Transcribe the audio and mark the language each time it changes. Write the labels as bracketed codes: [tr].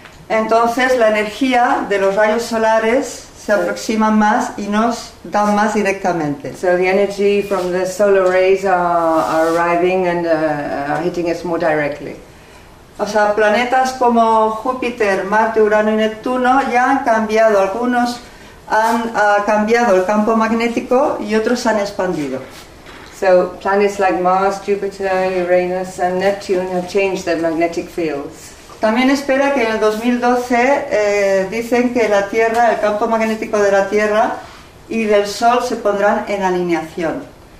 [es] Entonces la energía de los rayos solares se aproxima más y nos da más directamente. [en] So the energy from the solar rays are arriving and are hitting us more directly. [es] O sea, planetas como Júpiter, Marte, Urano y Neptuno ya han cambiado algunos han cambiado el campo magnético y otros han expandido. [en] So planets like Mars, Jupiter, Uranus and Neptune have changed their magnetic fields. [es] También espera que en el 2012 dicen que la Tierra, el campo magnético de la Tierra y del Sol se pondrán en alineación.